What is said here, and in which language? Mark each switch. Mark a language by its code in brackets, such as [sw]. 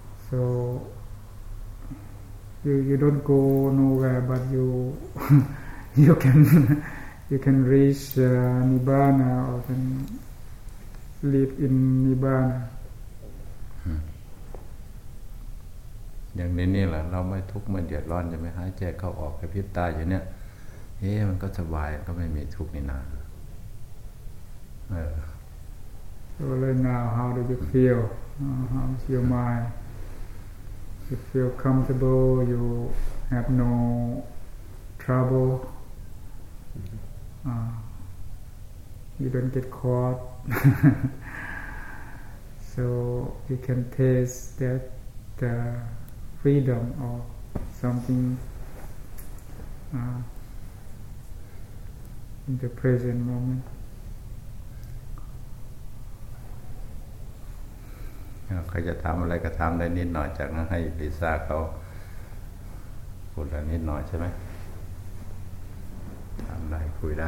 [en] So you don't go nowhere, but you you can reach Nibbana or can live in Nibbana. [th] อย่างนี้แหละเราไม่ทุกข์ไม่เดือดร้อนใช่ไหมหายใจเข้าออกกระพริบตาอย่างเนี้ยเอ๊ะมันก็สบายก็ไม่มีทุกข์นี่นา [en] เออ Right now how do you feel how's your mind you feel comfortable you have no trouble you don't get caught so you can taste that the freedom or something in the present moment. [th] ใครจะถามอะไรก็ถามได้นิดหน่อยจากนั้นให้ลิซ่าเขาพูดได้นิดหน่อยใช่ไหมถามได้คุยได